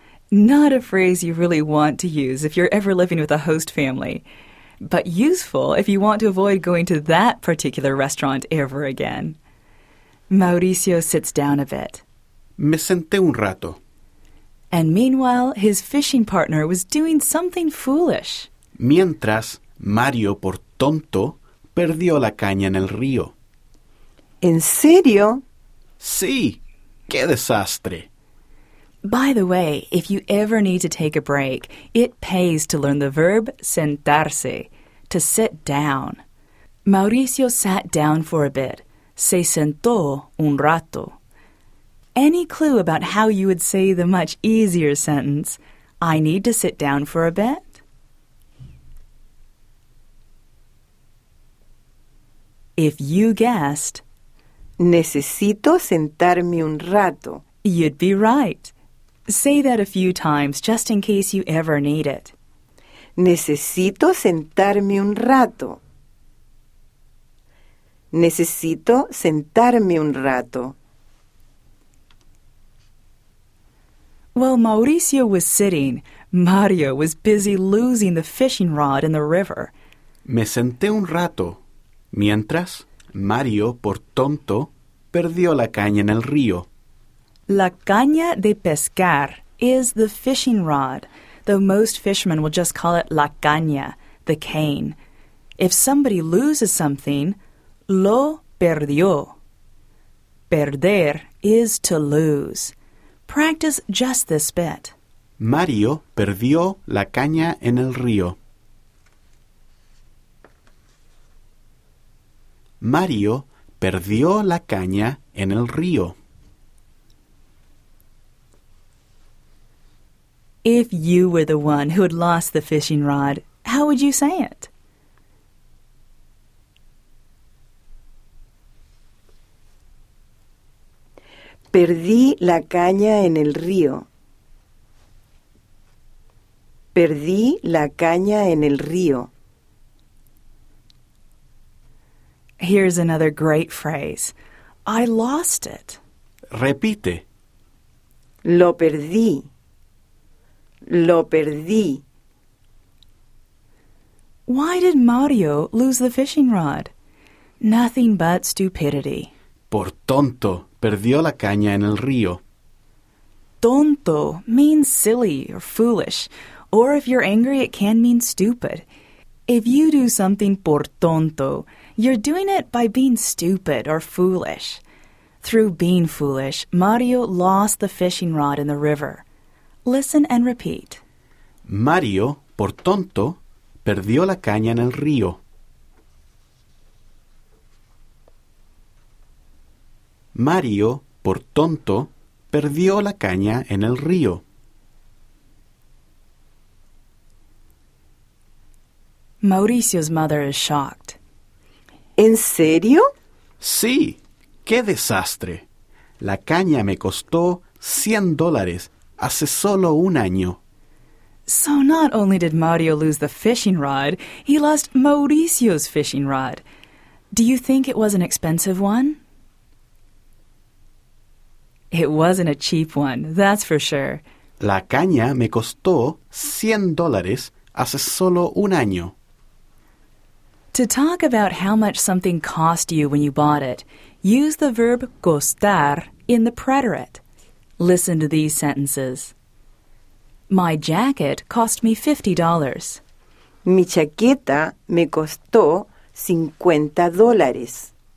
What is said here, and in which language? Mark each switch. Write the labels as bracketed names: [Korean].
[English] Not a phrase you really want to use if you're ever living with a host family, but useful if you want to avoid going to that particular restaurant ever again. Mauricio sits down a bit. [Spanish] Me senté un rato. [English] And meanwhile, his fishing partner was doing something foolish. [Spanish] Mientras, Mario, por tonto, perdió la caña en el río. ¿En serio? Sí. ¡Qué desastre! [English] By the way, if you ever need to take a break, it pays to learn the verb sentarse, to sit down. Mauricio sat down for a bit. [Spanish] Se sentó un rato. [English] Any clue about how you would say the much easier sentence, I need to sit down for a bit? If you guessed, [Spanish] necesito sentarme un rato, [English] you'd be right. Say that a few times, just in case you ever need it. [Spanish] Necesito sentarme un rato. Necesito sentarme un rato. [English] While Mauricio was sitting, Mario was busy losing the fishing rod in the river. [Spanish] Me senté un rato. Mientras, Mario, por tonto, perdió la caña en el río. La caña de pescar [English] is the fishing rod, though most fishermen will just call it [Spanish] la caña, [English] the cane. If somebody loses something, [Spanish] lo perdió. [English] Perder is to lose. Practice just this bit. [Spanish] Mario perdió la caña en el río. Mario perdió la caña en el río. [English] If you were the one who had lost the fishing rod, how would you say it? [Spanish] Perdí la caña en el río. Perdí la caña en el río. [English] Here's another great phrase. I lost it. [Spanish] Repite. Lo perdí. Lo perdí. [English] Why did Mario lose the fishing rod? Nothing but stupidity. [Spanish] Por tonto, perdió la caña en el río. [English] Tonto means silly or foolish, or if you're angry, it can mean stupid. If you do something [Spanish] por tonto, [English] you're doing it by being stupid or foolish. Through being foolish, Mario lost the fishing rod in the river. Listen and repeat. [Spanish] Mario, por tonto, perdió la caña en el río. Mario, por tonto, perdió la caña en el río. [English] Mauricio's mother is shocked. [Spanish] ¿En serio? Sí, qué desastre. La caña me costó $100 hace solo un año. [English] So not only did Mario lose the fishing rod, he lost Mauricio's fishing rod. Do you think it was an expensive one? It wasn't a cheap one, that's for sure. [Spanish] La caña me costó $100 hace solo un año. [English] To talk about how much something cost you when you bought it, use the verb costar in the preterite. Listen to these sentences. My jacket cost me $50. [Spanish] Mi chaqueta me costó $50.